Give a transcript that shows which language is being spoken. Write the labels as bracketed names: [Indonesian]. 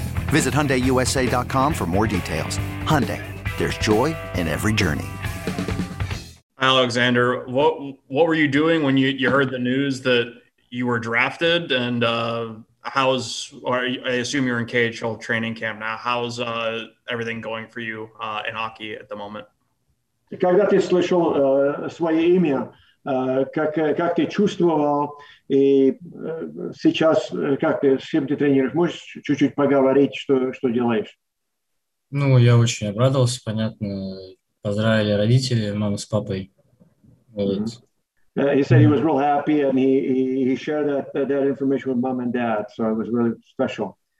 [English] Visit HyundaiUSA.com for more details. Hyundai, there's joy in every journey. Alexander, what were you doing when you heard the news that you were drafted? And I assume you're in KHL training camp now. How's everything going for you in hockey at the moment? [Russian] Когда ты слышал свое имя, как ты чувствовал, и сейчас как ты с кем ты тренируешь? Можешь чуть-чуть поговорить, что делаешь? Ну, я очень обрадовался, понятно. Поздравили родители, маму с папой. Вот. [English] He said he was real happy, and he shared that information with mom and dad, so it was really special.